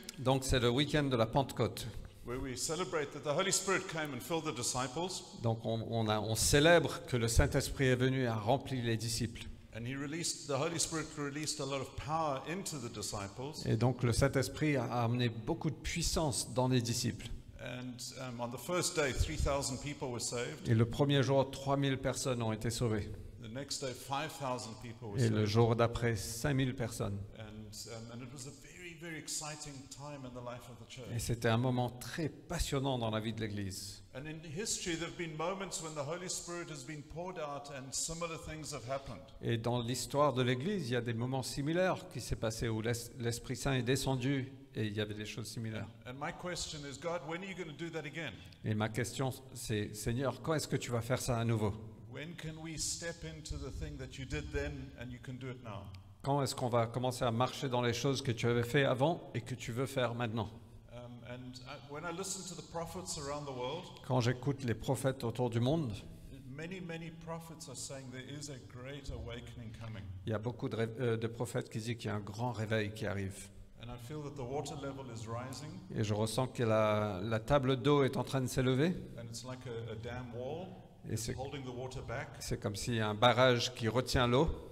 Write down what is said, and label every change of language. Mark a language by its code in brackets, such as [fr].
[fr] Donc c'est le week-end de la Pentecôte. [en] Where we celebrate that the Holy Spirit came and filled the disciples. [fr] Donc on célèbre que le Saint-Esprit est venu et a rempli les disciples. [en] And he released the Holy Spirit released a lot of power into the disciples. [fr] Et donc le Saint-Esprit a amené beaucoup de puissance dans les disciples. [en] And on the first day 3000 people were saved. [fr] Et le premier jour 3000 personnes ont été sauvées. [en] The next day, 5,000 people were saved. [fr] Et le jour d'après, 5,000 personnes. [en] And it was a very, very exciting time in the life of the church. [fr] Et c'était un moment très passionnant dans la vie de l'Église. [en] And in history, there have been moments when the Holy Spirit has been poured out, and similar things have happened. [fr] Et dans l'histoire de l'Église, il y a des moments similaires qui s'est passé où l'Esprit Saint est descendu et il y avait des choses similaires. [en] And my question is, God, when are you going to do that again? [fr] Et ma question c'est, Seigneur, quand est-ce que tu vas faire ça à nouveau? [en] When can we step into the thing that you did then and you can do it now? [fr] Quand est-ce qu'on va commencer à marcher dans les choses que tu avais fait avant et que tu veux faire maintenant? [en] When I listen to the prophets around the world, [fr] quand j'écoute les prophètes autour du monde, [en] many prophets are saying there is a great awakening coming. [fr] Il y a beaucoup de prophètes qui disent qu'il y a un grand réveil qui arrive. [en] And I feel that the water level is rising. [fr] Et je ressens que la table d'eau est en train de s'élever. [en] And it's like a dam wall. Et [fr] c'est comme s'il y a un barrage qui retient l'eau.